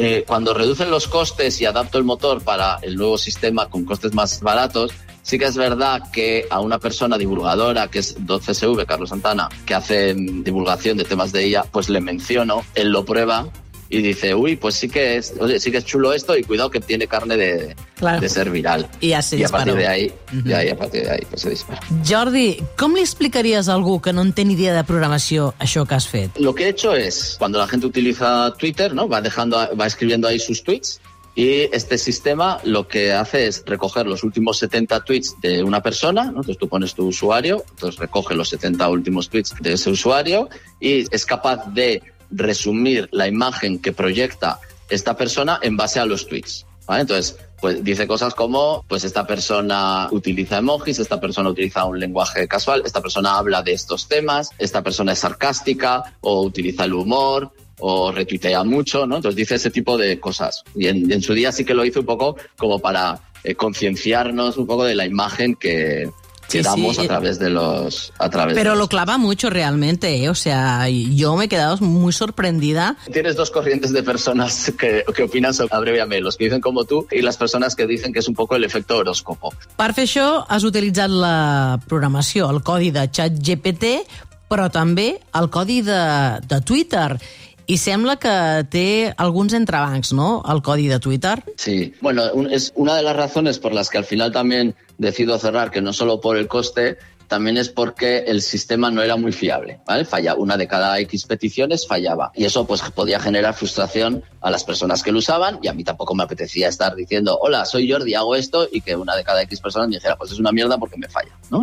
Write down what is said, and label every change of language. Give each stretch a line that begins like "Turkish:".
Spanish: Cuando reducen los costes y adapto el motor para el nuevo sistema con costes más baratos, sí que es verdad que a una persona divulgadora, que es 12SV, Carlos Santana, que hace divulgación de temas de IA, pues le menciono, él lo prueba y dice, uy, pues sí que es chulo esto y cuidado que tiene carne de, claro, de ser viral. Y ya se dispara. Y a partir de ahí, a partir de ahí pues se dispara.
Catalan: Jordi, ¿com li explicaries a algú que no en té ni idea de programació això que has fet?
Spanish: Lo que he hecho es, cuando la gente utiliza Twitter, ¿no?, va escribiendo ahí sus tweets, y este sistema lo que hace es recoger los últimos 70 tweets de una persona, ¿no? Entonces tú pones tu usuario, entonces recoge los 70 últimos tweets de ese usuario y es capaz de resumir la imagen que proyecta esta persona en base a los tweets, ¿vale? Entonces, pues dice cosas como, pues esta persona utiliza emojis, esta persona utiliza un lenguaje casual, esta persona habla de estos temas, esta persona es sarcástica o utiliza el humor o retuitea mucho, ¿no? Entonces dice ese tipo de cosas. Y en su día sí que lo hizo un poco como para concienciarnos un poco de la imagen que... Quedamos sí. a través de los... Pero lo clava mucho realmente, ¿eh? O sea, yo me he quedado muy sorprendida. Tienes dos corrientes de personas que opinan sobre Abreviame, los que dicen como tú y las personas que dicen que es un poco el efecto horóscopo.
Catalan: Per fer això, has utilitzat la programació, el codi de ChatGPT, però també el codi de Twitter. Y sembla que té alguns entrebancs, ¿no?, el codi de Twitter.
Spanish: Sí, bueno, es una de las razones por las que al final también decido cerrar, que no solo por el coste, también es porque el sistema no era muy fiable, ¿vale? Falla una de cada X peticiones, fallaba. Y eso pues podía generar frustración a las personas que lo usaban y a mí tampoco me apetecía estar diciendo, hola, soy Jordi, hago esto, y que una de cada X personas me dijera, pues es una mierda porque me falla, ¿no?